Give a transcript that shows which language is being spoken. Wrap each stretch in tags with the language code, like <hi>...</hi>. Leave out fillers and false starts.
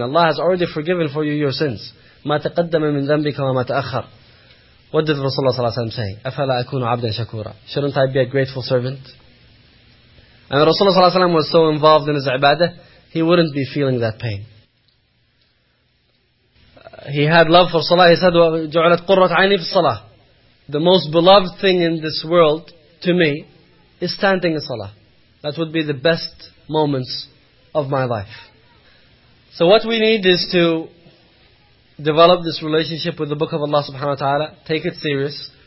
<en>Allah has already forgiven for you your sins.</en> <ar>مَا تَقَدَّمَ مِنْ ذَنْبِكَ وَمَا تَأَخَّرَ.</ar> <en>What did Rasulullah ﷺ say?</en> <ar>أَفَلَا أَكُونُ عَبْدًا شَكُورًا.</ar> <en>Shouldn't I be a grateful servant? And Rasulullah ﷺ was so involved in his ibadah, he wouldn't be feeling that pain. He had love for salah. He said,</en> <ar>جُعْلَتْ قُرَّةْ عَيْنِي فِي الصَّلَاةِ.</ar> <en>The most beloved thing in this world to me is standing in salah. That would be the best moments of my life. So what we need is to develop this relationship with the book of Allah subhanahu wa ta'ala, take it serious.</en>